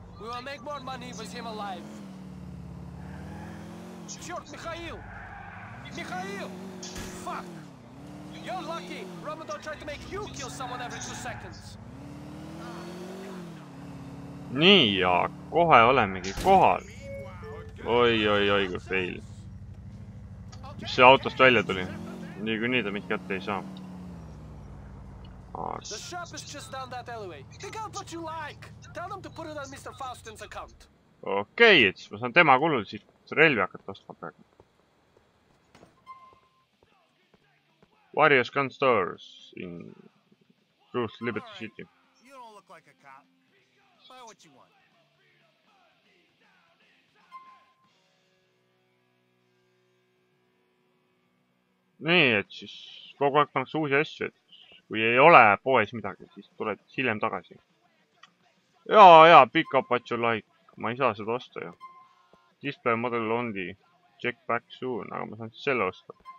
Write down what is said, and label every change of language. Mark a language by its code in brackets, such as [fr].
[en] We will make more money with him alive. [ru] Черт, [en] Михаил! Михаил! Fuck! You're lucky! Ramadan tried to make you kill someone every 2 seconds. [et] Nii, ja kohe olemegi kohal. Oi, kui fail. Mis see autost välja tuli? Nii kui nii ta mitte kätte ei saa. [en] The shop is just down that alleyway. Pick out what you like. Tell them to put it on Mr. Faustin's account. [et] Okei, et siis ma saan tema kulul siit relvi hakata ostma praegu. [en] Various gun stores in Truth Liberty City. You don't look like a cop. Buy what you want. [et] Nii, et siis kogu aeg pannakse uusi asju. Kui ei ole poes midagi, siis tuled hiljem tagasi. [en] Jaa, pick up what you like. [et] Ma ei saa seda osta ju. [en] Display model only. Check back soon, [et] aga ma saan siis selle osta.